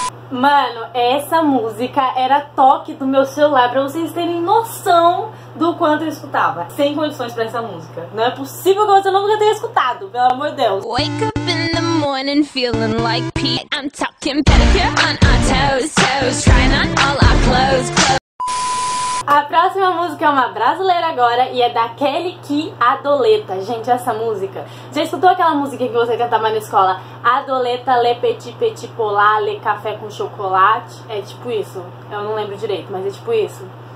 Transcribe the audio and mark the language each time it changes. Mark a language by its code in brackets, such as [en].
[pt] Mano, essa música era toque do meu celular, pra vocês terem noção do quanto eu escutava. Sem condições pra essa música. Não é possível que você nunca tenha escutado, pelo amor de Deus. [en] Wake up in the morning feeling like pee. I'm talking pedicure on our toes, toes. Trying on all our clothes, clothes. [pt] A próxima música é uma brasileira agora e é da Kelly Ki, Adoleta. Gente, essa música... Já escutou aquela música que você cantava na escola? Adoleta, le petit petit polar, le café com chocolate. É tipo isso. Eu não lembro direito, mas é tipo isso.